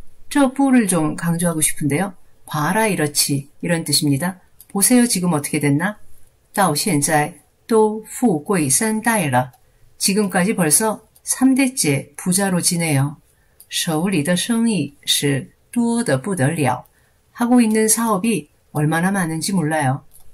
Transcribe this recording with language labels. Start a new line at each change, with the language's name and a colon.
Korean: 저부를 좀 강조하고 싶은데요. 봐라 이렇지 이런 뜻입니다. 보세요 지금 어떻게 됐나?
Chinese: 到现在都富贵三代了.
Korean: 지금까지 벌써 3대째 부자로 지내요.
Chinese: 手里的生意是多得不得了.
Korean: 하고 있는 사업이 얼마나 많은지 몰라요.